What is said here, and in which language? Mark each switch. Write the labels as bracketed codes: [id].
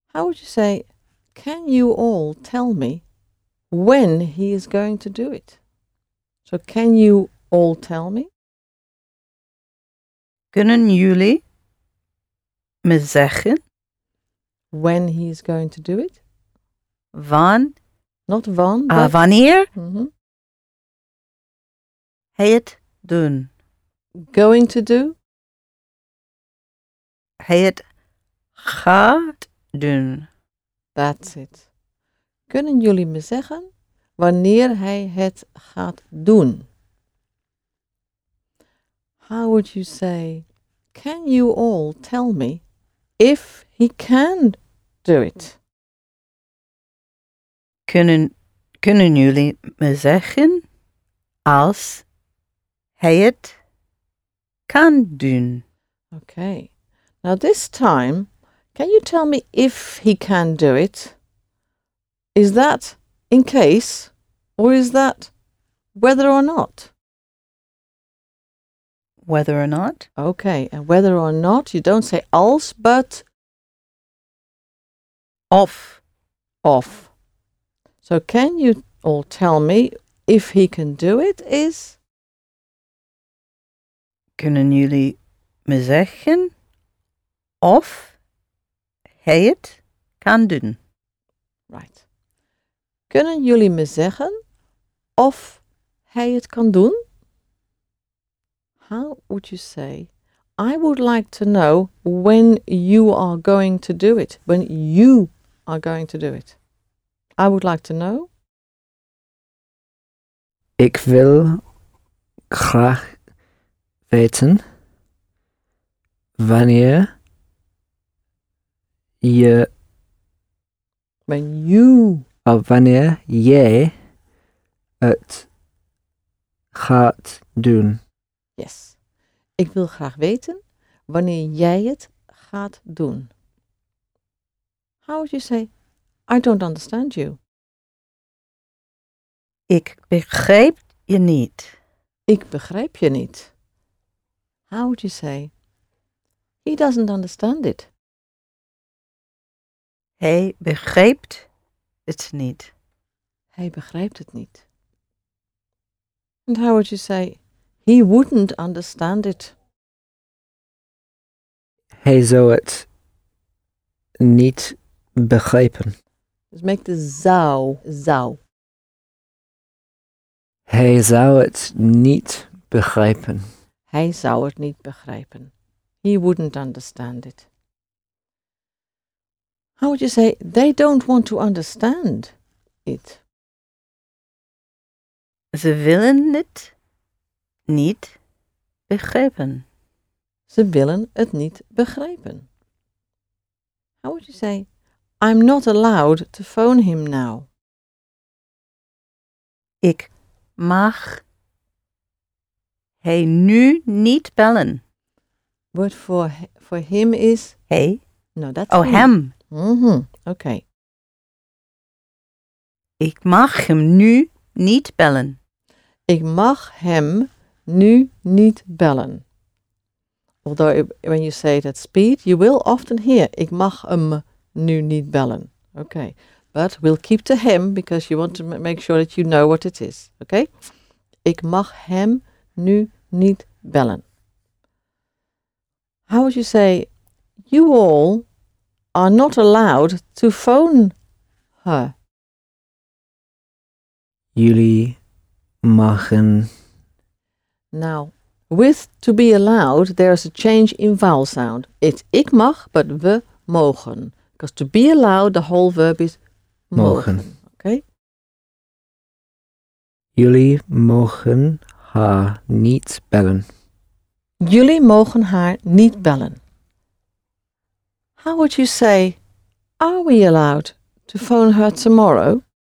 [en] How would you say, can you all tell me when he is going to do it? So, can you all tell me? [nl] Kunnen jullie me zeggen [en] When he is going to do it? [nl] van [en] Not van, a but. [nl] wanneer hij het doen [en] Going to do? [nl] hij het gaat doen. [en] That's it. [nl] Kunnen jullie me zeggen wanneer hij het gaat doen? [en] How would you say, can you all tell me if he can do it? [nl] Kunnen jullie me zeggen als hij het kan doen? [en] Okay. Now this time, can you tell me if he can do it? Is that in case, or is that whether or not? Whether or not? Okay, and whether or not, you don't say else, but Off. off. So can you all tell me if he can do it is? [nl] Kunnen jullie me zeggen of hij het kan doen? [en] Right. [nl] Kunnen jullie me zeggen of hij het kan doen? [en] How would you say, I would like to know when you are going to do it, when you are going to do it. I would like to know. [nl] Ik wil graag weten wanneer je [en] When you [nl] of wanneer jij het gaat doen. Yes, ik wil graag weten wanneer jij het gaat doen. [en] How would you say, I don't understand you? [nl] Ik begrijp je niet. Ik begrijp je niet. [en] How would you say, he doesn't understand it? [nl] Hij begrijpt het niet. Hij begrijpt het niet. [en] And how would you say, he wouldn't understand it? [nl] Hij zou het niet begrijpen. [en] Just make the zou, zou. [nl] Hij zou het niet begrijpen. Hij zou het niet begrijpen. [en] He wouldn't understand it. How would you say, they don't want to understand it? [nl] Ze willen het niet begrijpen. Ze willen het niet begrijpen. [en] How would you say, I'm not allowed to phone him now? [nl] Ik mag hij nu niet bellen. [en] Word for him is? [nl] Hij? [en] No, that's Oh, me. [nl] hem. [en] Okay. [nl] Ik mag hem nu niet bellen. Ik mag hem nu niet bellen. [en] Although, when you say it at speed, you will often hear, [nl] ik mag hem nu niet bellen. [en] Okay. But we'll keep to him because you want to make sure that you know what it is. Okay? [nl] Ik mag hem nu niet bellen. [en] How would you say, you all are not allowed to phone her? [nl] Jullie mogen. [en] Now, with to be allowed, there is a change in vowel sound. It's [nl] ik mag, [en] but [nl] we mogen. [en] Because to be allowed, the whole verb is [nl] Mogen. mogen. Okay? Jullie mogen haar niet bellen. Jullie mogen haar niet bellen. [en] How would you say, are we allowed to phone her tomorrow?